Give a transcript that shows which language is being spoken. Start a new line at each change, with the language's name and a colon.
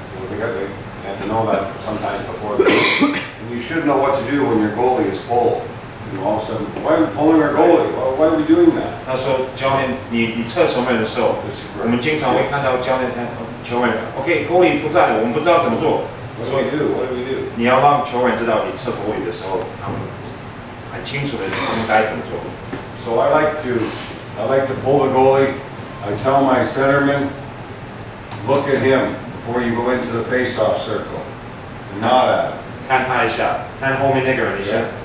English: You know, you have to know that sometimes before the game. And you should know what to do when your goalie is pulled. You know, all of a sudden, why are we pulling our goalie? Why are we doing that?
Chinese: 他说，教练，你测守门的时候，我们经常会看到教练和球员。
English: Okay,
Chinese: goalie 不在了，我们不知道怎么做。
English: What do we do?
Chinese: 你要让球员知道你测守门的时候，他们很清楚的，他们该怎么做。
English: So I like to pull the goalie. I tell my centerman, look at him before you go into the face-off circle. Not at him.
Chinese: 看他一下，看后面那个人一下。